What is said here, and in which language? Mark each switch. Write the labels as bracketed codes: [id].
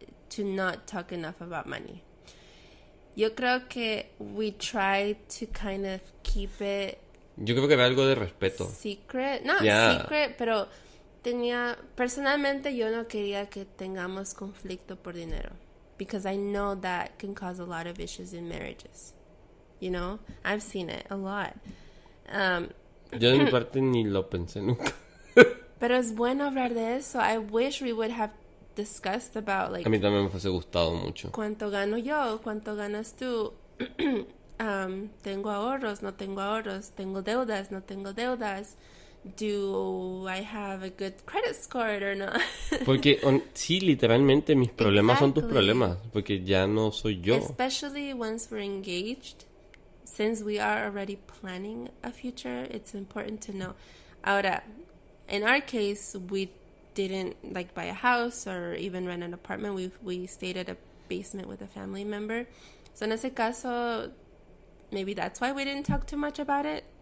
[en] To not talk enough about money. [es] Yo creo que [en] we try to kind of keep it. [es] Yo creo que era algo de respeto. [en] Secret. Secret, [es] pero tenía. Personalmente, yo no quería que tengamos conflicto por dinero. [en] Because I know that can cause a lot of issues in marriages. You know? I've seen it a lot. [es] Yo de mi parte ni lo pensé nunca. Pero es bueno hablar de eso. [en] I wish we would have discussed about, like... [es] A mí también me fuese gustado mucho. ¿Cuánto gano yo? ¿Cuánto ganas tú? ¿Tengo ahorros? ¿No tengo ahorros? ¿Tengo deudas? ¿No tengo deudas? [en] Do I have a good credit score or not? [es] Porque sí, literalmente mis problemas [en] exactly. [es] Son tus problemas, porque ya no soy yo. [en] Especially once we're engaged, since we are already planning a future, it's important to know. [es] Ahora, [en] in our case, we didn't like buy a house or even rent an apartment. We stayed at a basement with a family member. So [es] en ese caso, [en] maybe that's why we didn't talk too much about it.